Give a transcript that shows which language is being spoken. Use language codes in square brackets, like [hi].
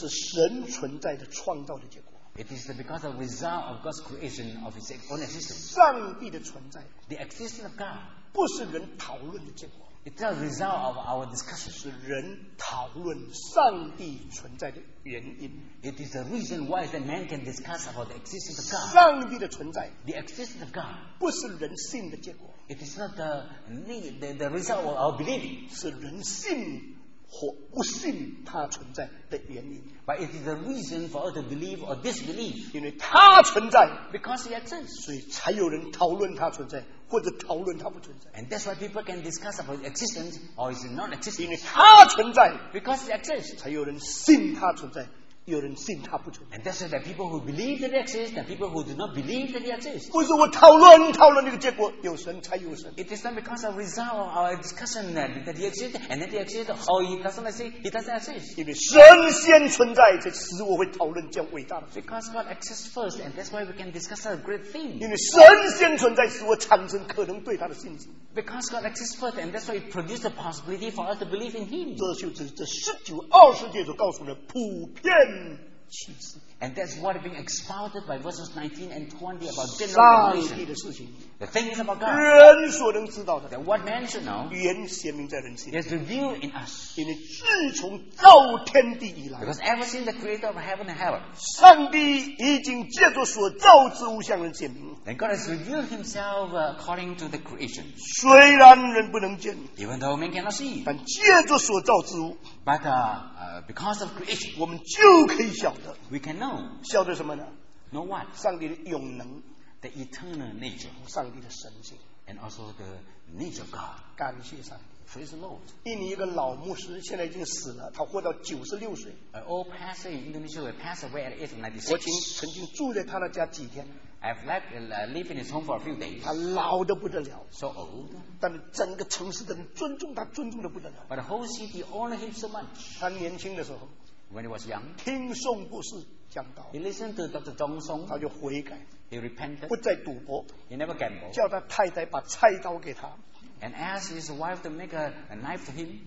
[zh] 是神存在的创造的结果。 [en] It is because of the result of God's creation of His own existence. [zh] 上帝的存在 [en] The existence of God [zh] 不是人讨论的结果 [en] It's the result of our discussion. [zh] 是人讨论上帝存在的原因。 [en] It is the reason why that man can discuss about the existence of God. [zh] 上帝的存在。 [en] The existence of God. [zh] 不是人信的结果。 [en] It is not the result of our believing. [zh] 是人信或不信他存在的原因。 [en] But it is the reason for us to believe or disbelieve. [zh] 因为他存在。 [en] Because he exists. [zh] 所以才有人讨论他存在。或者讨论它不存在。 [en] And that's why people can discuss about existence or is it non-existent. [zh] 因为它存在。 [en] Because it exists. [zh] 才有人信它存在，有人信它不存在。 [en] And that's why the people who believe that it exists and people who do not believe that it exists. [zh] 不是我讨论讨论那个结果，有神才有神。 [en] It is not because of the result of our discussion that it exists and that it exists or it doesn't exist, it doesn't exist. [zh] 因为神先存在，这使我会讨论这样伟大的。 [en] Because God exists first and that's why we can discuss a great thing. [zh] 因为神先存在，使我产生可能对他的信心。 [en] Because God exists first and that's why it produced the possibility for us to believe in Him. [zh] 这就是这十九二十节所告诉的普遍。 [en] And that's what is being expounded by verses 19 and 20 about general revelation. The thing is about God. [zh] 人所能知道的。 [en] That what man should know. [zh] 原显明在人心。 [en] Is revealed in us. [zh] 因为自从造天地以来。 [en] Because ever since the creator of heaven and hell. [zh] 上帝已经借着所造之物向人显明。 [en] And God has revealed himself according to the creation. [zh] 虽然人不能见。 [en] Even though man cannot see. [zh] 但借着所造之物。 [en] But because of creation. [zh] 我们就可以晓得。 [en] We can know. [zh] 晓得什么呢？ [en] Know what? [zh] 上帝的永能。 [en] The eternal nature. [zh] 上帝的神性。 [en] And also the nature of God. [zh] 感谢上帝。 [en] Praise the Lord. [zh] 印尼一个老牧师现在已经死了，他活到96岁。 [en] An old pastor in Indonesia who passed away at the age of 96. [zh] 我曾经住在他的家几天。 [en] I've lived in his home for a few days. [zh] 他老得不得了。 [en] So old. [zh] 但整个城市的人尊重他，尊重得不得了。 [en] But the whole city honored him so much. [zh] 他年轻的时候。 [en] When he was young. [zh] 听宋博士讲道。 [en] He listened to Dr. Zhong Song. [zh] 他就悔改。 [en] He repented. [zh] 不再赌博。 [en] He never gambled. [zh] 叫他太太把菜刀给他。 [en] And asked his wife to make a knife to him.